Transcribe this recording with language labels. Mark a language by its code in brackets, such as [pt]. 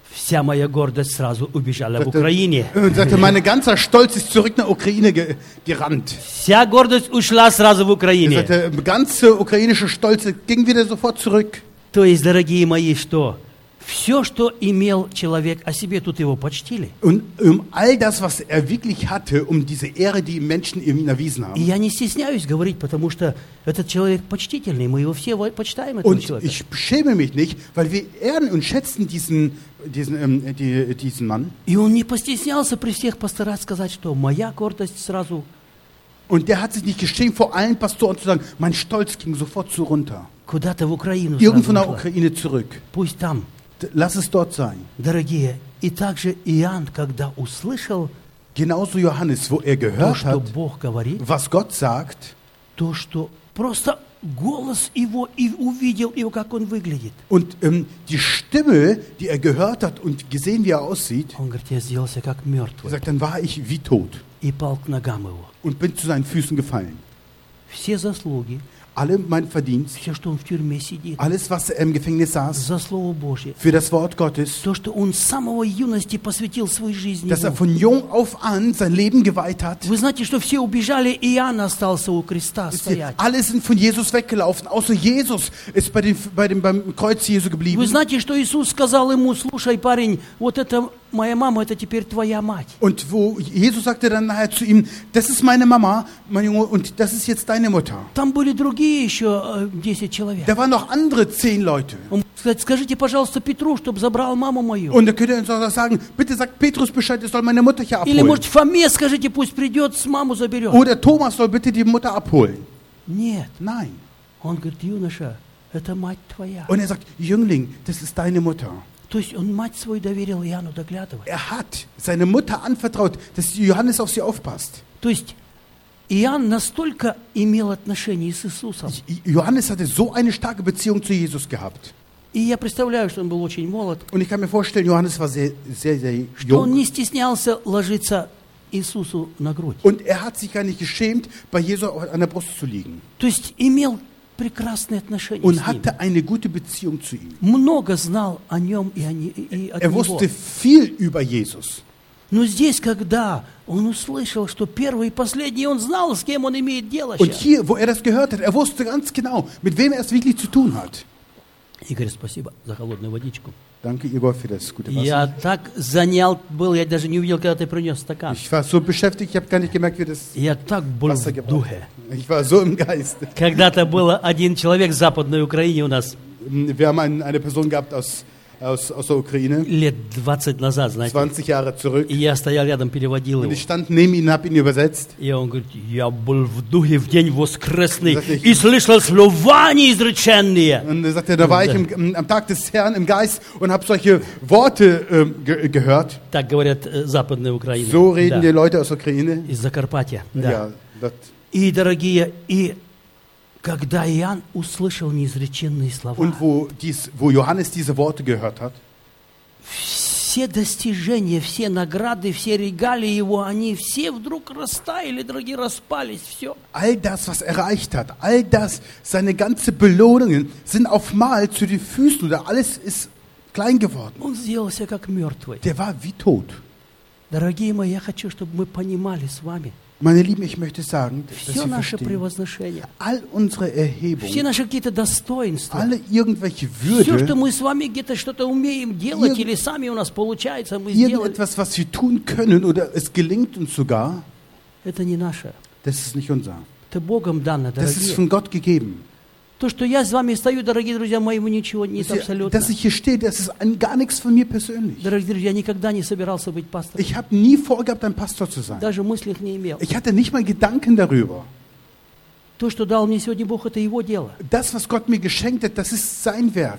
[ru] Вся моя гордость сразу убежала в Украине. [de] Er sagte, mein ganzer Stolz ist zurück nach Ukraine gerannt. [ru] Вся гордость ушла сразу в Украине. [de] Er sagte, ganze ukrainische Stolz ging wieder sofort zurück. [ru] То есть, дорогие мои, что все, что имел человек о себе, тут его почтили. [de] Und all das, was wirklich hatte, diese Ehre, die Menschen ihm erwiesen haben. [ru] И я не стесняюсь говорить, потому что этот человек почтительный, мы его все почитаем, этого человека. [de] Ich schäme mich nicht, weil wir ehren und schätzen diesen Mann. [ru] И он не постеснялся при всех постараться сказать, что моя гордость сразу. [de] Und der hat sich nicht geschämt, vor allen Pastoren zu sagen, mein Stolz ging sofort zu runter. [ru] Куда-то в Украину. [de] Irgendwo nach Ukraine zurück. [ru] Пусть там. [de] Lass es dort sein. [ru] Дорогие, и также Иоанн, когда услышал, [de] genauso Johannes, wo er gehört [ru] то, что [de] hat, [ru] Бог говорит, [de] was Gott sagt, [ru] то, что просто голос его и увидел его, как он выглядит. [de] Und die Stimme, die er gehört hat und gesehen, wie er aussieht, [ru] он говорит, я сделался как мертвый. [de] Sagt, dann war ich wie tot. [ru] И пал к ногам его. [de] Und bin zu seinen Füßen gefallen. [ru] Все заслуги, [de] alle mein Verdienst, [ru] все, что он в тюрьме сидит, [de] alles, was er im Gefängnis saß, [ru] за Слово Божье, [de] für das Wort Gottes, [ru] то, что он с самого юности посвятил свою жизнь, [de] dass er von jung auf an sein Leben geweiht hat. [ru] Вы знаете, что все убежали, и Иоанн остался у креста стоять. [de] Alle sind von Jesus weggelaufen, außer Jesus ist beim Kreuz Jesu geblieben. [ru] Вы знаете, что Иисус сказал ему, слушай, парень, вот это моя мама, это теперь твоя мать. [de] Und wo Jesus sagte dann nachher zu ihm, das ist meine Mama, mein Junge, und das ist jetzt deine Mutter. [ru] Там были другие еще 10 человек. [de] Da waren noch andere 10 Leute. [ru] Скажите, пожалуйста, Петру, чтобы забрал маму мою. [de] Und er könnte dann sagen, bitte sag Petrus Bescheid, er soll meine Mutter hier abholen. [ru] Или, может, Фоме скажите, пусть придет, с маму заберет. [de] Oder Thomas soll bitte die Mutter abholen. [ru] Нет. [de] Nein. [ru] Он говорит, юноша, это мать твоя. [de] Und er sagt, Jüngling, das ist deine Mutter. [ru] То есть он мать свою доверил Иоанну доглядывать. [de] Er hat seine Mutter anvertraut, dass Johannes auf sie aufpasst. [ru] То есть Иоанн настолько имел отношение с Иисусом. [de] Johannes hatte so eine starke Beziehung zu Jesus gehabt. [ru] И я представляю, что он был очень молод. [de] Und ich kann mir vorstellen, Johannes war sehr jung. [ru] Что он не стеснялся ложиться Иисусу на грудь. [de] Und er hat sich gar nicht geschämt, bei Jesus an der Brust zu liegen. [ru] То есть имел прекрасные отношения с ним. [de] Und hatte eine gute Beziehung zu ihm. [ru] Много знал о нем и о него. [de] Er wusste viel über Jesus. [ru] Но здесь, когда он услышал, что первый и последний, он знал, с кем он имеет дело. [de] Und hier, wo er das gehört hat, er wusste ganz genau, mit wem es wirklich zu tun hat. [ru] Игорь, спасибо за холодную водичку. [de] Danke, Igor, für das gute Wasser. [ru] Я так занял был, я даже не увидел, когда ты принес стакан. [de] Ich war so beschäftigt, ich habe gar nicht gemerkt, wie das Wasser gebraucht. [ru] Я так был в духе. [de] Ich war so im Geist. [ru] Когда-то был один человек в Западной Украине у нас. [de] Wir haben eine Person gehabt aus aus der Ukraine. [ru] Лет 20 назад, знаете. [de] 20 Jahre zurück. [ru] И я стоял рядом, переводил его. [de] Und ich stand neben ihm, habe ihn übersetzt. [ru] И он говорит: "Я был в духе в день воскресный и слышал слова неизреченные." [de] Und er sagte, da war ich am Tag des Herrn im Geist und habe solche Worte gehört. [ru] Так говорят западные украинцы. [de] So reden die Leute aus der Ukraine. [ru] Из Закарпатья. Да. И дорогие, и когда Иоанн услышал неизреченные слова, [de] und wo Johannes diese Worte gehört hat, [ru] все достижения, все награды, все регалии его, они все вдруг растаяли, дорогие, распались, все. [de] All das, was erreicht hat, all das, seine ganze Belohnungen, sind auf einmal zu den Füßen, oder alles ist klein geworden. [ru] Он сделался как мертвый. [de] Der war wie tot. [ru] Дорогие мои, я хочу, чтобы мы понимали с вами. [de] Meine Lieben, ich möchte sagen, dass Sie verstehen, all unsere Erhebungen, alle irgendwelche Würde, irgendetwas, was wir tun können oder es gelingt uns sogar, das ist nicht unser. Das ist von Gott gegeben. [ru] То, что я с вами стою, дорогие друзья, моего ничего нет абсолютно. [de] Dass ich hier stehe, das ist gar nichts von mir persönlich. [ru] Дорогие друзья, я никогда не собирался быть пастором. [de] Ich habe nie vorgehabt, ein Pastor zu sein. [ru] Даже мыслей не имел. [de] Ich hatte nicht mal Gedanken darüber. [ru] То, что дал мне сегодня Бог, это его дело. [de] Das, was Gott mir geschenkt hat, das ist sein Werk.